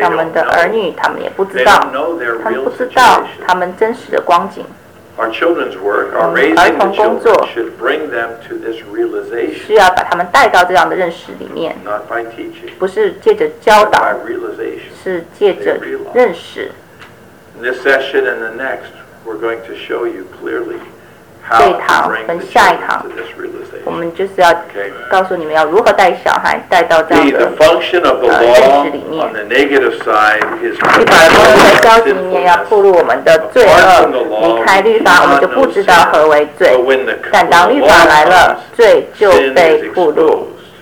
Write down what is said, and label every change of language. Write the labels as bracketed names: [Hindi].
[Chinese] 他们的儿女，他们也不知道。他们不知道他们真实的光景。 [English] Our children's work, our raising the children, should bring them to this realization. [Chinese] 需要把他们带到这样的认识里面。 [English] Not by teaching. [Chinese] 不是借着教导。 [English] By realization. [Chinese] 是借着认识。 [English] In this session and the next, we're going to show you clearly. [Chinese] 这一堂跟下一堂我们就是要告诉你们要如何带小孩带到这样的认识里面。这把律法在消极里面要暴露我们的罪恶，离开律法我们就不知道何为罪，但当律法来了，罪就被暴露。